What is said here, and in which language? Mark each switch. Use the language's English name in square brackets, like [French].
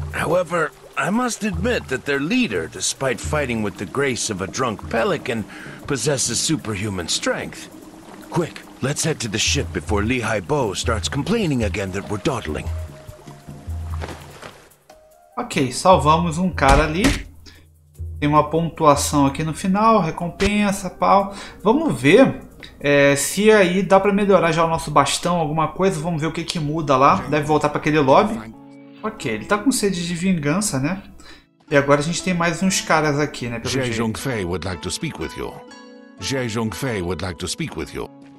[English] However, I must admit that their leader, despite fighting with the grace of a drunk pelican, possesses superhuman strength. Quick, let's head to the ship before Liu Hai Bo starts complaining again that we're dawdling. [Portuguese] Ok, salvamos um cara ali. Tem uma pontuação aqui no final, recompensa, pau. Vamos ver se aí dá pra melhorar já o nosso bastão, alguma coisa. Vamos ver o que que muda lá. Deve voltar pra aquele lobby. Ok, ele tá com sede de vingança, né? E agora a gente tem mais uns caras aqui, né? [English] Xie Zhongfei would like to speak with you. Xie Zhongfei would like to speak with you.